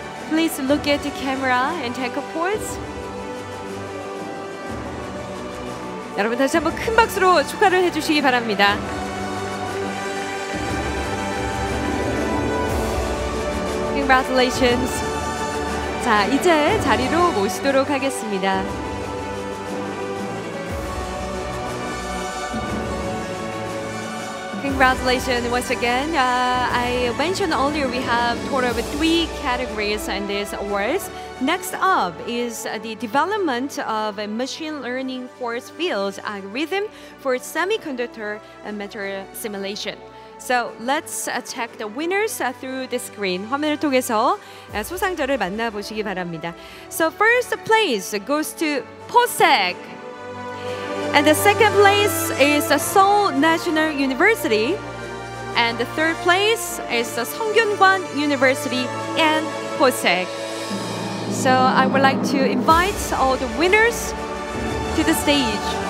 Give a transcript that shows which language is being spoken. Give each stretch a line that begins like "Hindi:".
English: Please look at the camera and take a pose.
Korean: 여러분 다시 한번 큰 박수로 축하를 해주시기 바랍니다.
English: Congratulations.
Korean: 자, 이제 자리로 모시도록 하겠습니다.
English: Congratulations once again. I mentioned earlier we have total of three categories in these awards. Next up is the development of a machine learning force field algorithm for semiconductor material simulation. So let's check the winners through the screen.
Korean: 화면을 통해서 수상자를 만나보시기 바랍니다.
English: So first place goes to POSEC. And the second place is the Seoul National University. And the third place is the Songkyunkwan University and POSEC. So I would like to invite all the winners to the stage.